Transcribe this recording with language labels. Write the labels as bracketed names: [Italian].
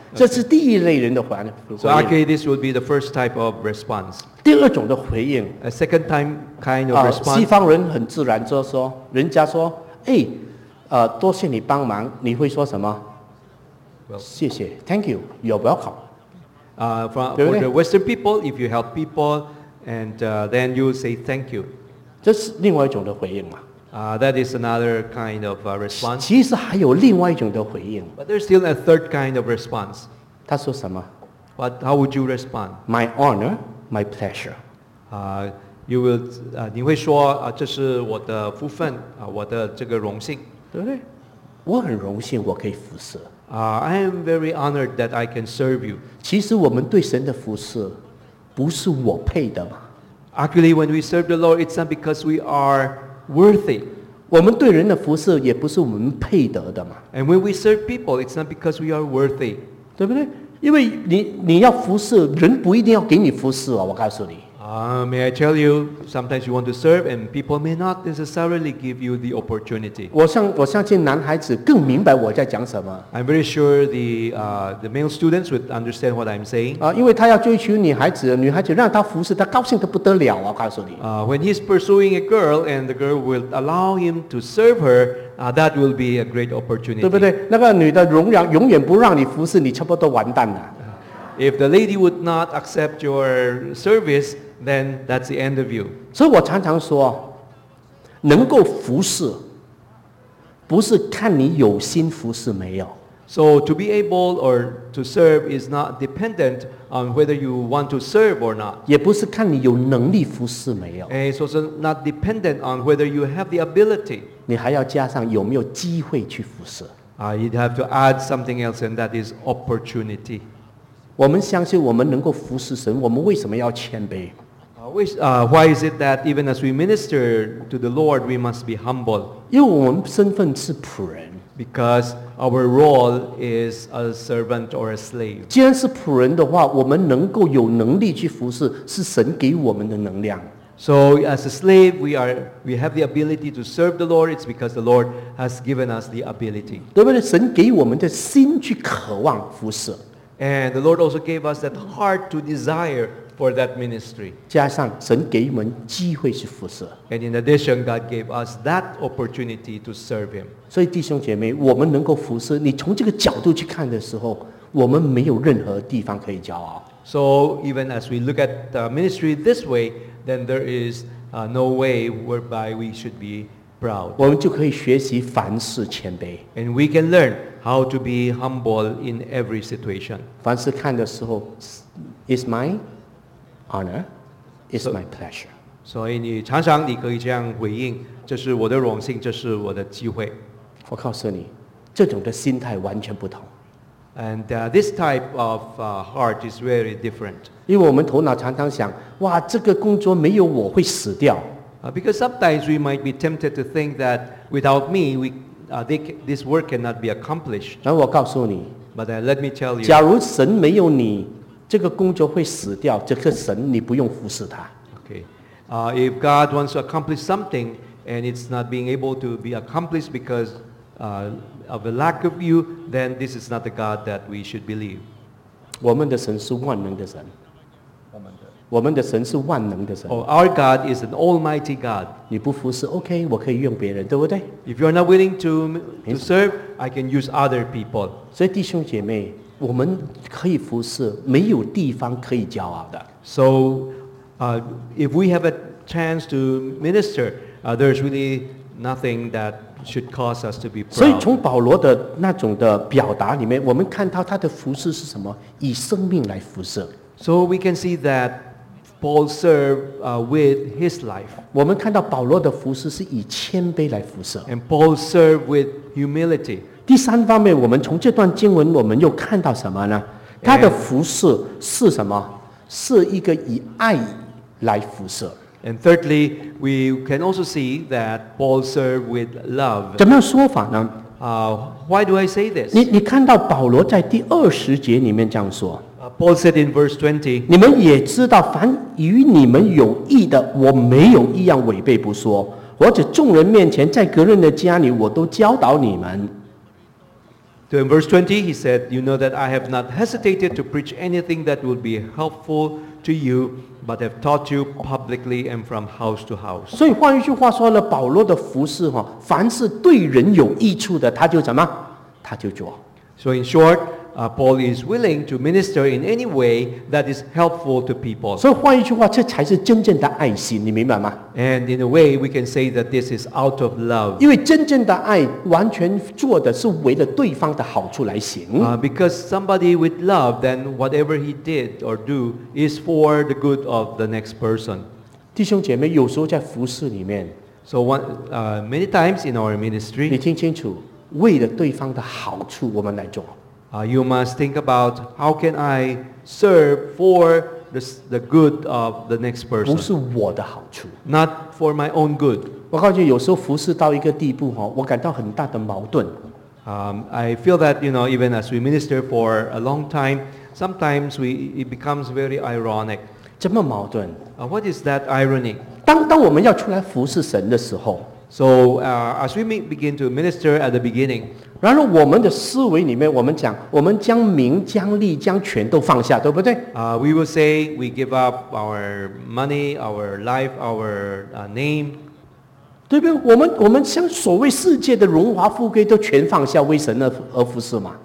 [Chinese] 这是第一类人的回应。 [English] So actually, this would be the first type of response. [Chinese] 第二种的回应。 [English] A second time kind of response. [Chinese] 西方人很自然就说，人家说，哎，多谢你帮忙，你会说什么？ [English] Well, [Chinese] 谢谢 [English] ，Thank you, you're welcome. For the Western people, if you help people, and then you say thank you. [Chinese] 这是另外一种的回应嘛？ [English] That is another kind of response. [Chinese] 其实还有另外一种的回应。 [English] But there's still a third kind of response. [Chinese] 他说什么？ [English] But how would you respond? My honor, my pleasure. You will, [Chinese] 你会说啊，这是我的福分啊，我的这个荣幸，对不对？我很荣幸，我可以服侍。 [English] I am very honored that I can serve you. [Chinese] 其实我们对神的服侍不是我配的嘛。 [English] Actually, when we serve the Lord, it's not because we are worthy. [Chinese] 我们对人的服侍也不是我们配得的嘛。 [English] And when we serve people, it's not because we are worthy. [Chinese] 对不对？因为 你要服侍，人不一定要给你服侍啊，我告诉你。 [English] May I tell you, sometimes you want to serve and people may not necessarily give you the opportunity. [Chinese] 我相信男孩子更明白我在讲什么。 [English] I'm very sure the male students would understand what I'm saying. [Chinese] 因为他要追求女孩子，女孩子让他服侍，他高兴得不得了，我告诉你。 [English] When he's pursuing a girl and the girl will allow him to serve her, that will be a great opportunity. [Chinese] 对不对？那个女的永远不让你服侍，你差不多完蛋了。 [English] If the lady would not accept your service, then that's the end of you. [Chinese] 所以我常常说，能够服侍，不是看你有心服侍没有。 [English] So to be able or to serve is not dependent on whether you want to serve or not. [Chinese] 也不是看你有能力服侍没有。 [English] And it's also not dependent on whether you have the ability. [Chinese] 你还要加上有没有机会去服侍。 [English] You'd have to add something else, and that is opportunity. [Chinese] 我们相信我们能够服侍神，我们为什么要谦卑？ [English] Why is it that even as we minister to the Lord, we must be humble? [Chinese] 因为我们身份是仆人。 [English] Because our role is a servant or a slave. [Chinese] 既然是仆人的话，我们能够有能力去服侍，是神给我们的能量。 [English] So as a slave, we have the ability to serve the Lord. It's because the Lord has given us the ability. [Chinese] 对不对？神给我们的心去渴望服侍。 [English] And the Lord also gave us that heart to desire for that ministry. [Chinese] 加上神给我们机会去服侍。 [English] And in addition, God gave us that opportunity to serve Him. [Chinese] 所以弟兄姐妹，我们能够服侍，你从这个角度去看的时候，我们没有任何地方可以骄傲。 [English] So even as we look at the ministry this way, then there is no way whereby we should be proud. [Chinese] 我们就可以学习凡事谦卑。 [English] And we can learn. How to be humble in every situation. [Chinese] 凡事看的时候 [English] is my honor, is my pleasure. [Chinese] 所以你常常你可以这样回应，这是我的荣幸，这是我的机会。我告诉你，这种的心态完全不同。 [English] And this type of heart is very different. [Chinese] 因为我们头脑常常想，哇，这个工作没有我会死掉。 [English] Because sometimes we might be tempted to think that without me, this work cannot be accomplished. [Chinese] 然后我告诉你， [English] But let me tell you, [Chinese] 假如神没有你，这个工作会死掉，这个神你不用服侍他。 [English] Okay. If God wants to accomplish something and it's not being able to be accomplished because of a lack of you, then this is not the God that we should believe. [Chinese] 我们的神是万能的神。我们的神是万能的神。 [English] Oh, our God is an almighty God. [Chinese] 你不服侍 ，OK， 我可以用别人，对不对 [English] ？If you are not willing to serve, I can use other people. [Chinese] 所以弟兄姐妹，我们可以服侍，没有地方可以骄傲的。 [English] So, if we have a chance to minister, there's really nothing that should cause us to be proud. [Chinese] 所以从保罗的那种的表达里面，我们看到他的服侍是什么？以生命来服侍。 [English] So we can see that. Paul served with his life. [Chinese] 我们看到保罗的服侍是以谦卑来服侍。 [English] And Paul served with humility. [Chinese] 第三方面，我们从这段经文我们又看到什么呢？他的服侍是什么？是一个以爱来服侍。 [English] And thirdly, we can also see that Paul served with love. [Chinese] 怎么样说法呢？ [English] Why do I say this? [Chinese] 你看到保罗在第二十节里面这样说。 [English] Paul said in verse 20, [Chinese] 你们也知道，凡与你们有益的，我没有一样违背不说，或者众人面前，在个人的家里，我都教导你们。 [English] So in verse 20, he said, you know that I have not hesitated to preach anything that would be helpful to you, but have taught you publicly and from house to house. [Chinese] 所以换一句话说了，保罗的服事，凡是对人有益处的，他就怎么？他就做。 [English] So in short, Paul is willing to minister in any way that is helpful to people. [Chinese] 所以换一句话，这才是真正的爱心，你明白吗？ [English] And in a way, we can say that this is out of love. [Chinese] 因为真正的爱完全做的是为了对方的好处来行。 [English] Because somebody with love, then whatever he did or do is for the good of the next person. [Chinese] 弟兄姐妹，有时候在服事里面。 [English] So many times in our ministry, [Chinese] 你听清楚，为了对方的好处我们来做。 [English] You must think about how can I serve for the good of the next person. [Chinese] 不是我的好处。 [English] Not for my own good. [Chinese] 我告诉你，有时候服事到一个地步，我感到很大的矛盾。 [English] I feel that, you know, even as we minister for a long time, sometimes it becomes very ironic. [Chinese] 怎么矛盾？ [English] What is that irony? [Chinese] 当我们要出来服事神的时候。 [English] So, as we begin to minister at the beginning, [Chinese] 然而我们的思维里面，我们讲，我们将名、将利、将权都放下，对不对？ [English] We will say we give up our money, our life, our name. [Chinese] 对不对？我们将所谓世界的荣华富贵都全放下，为神而服事嘛。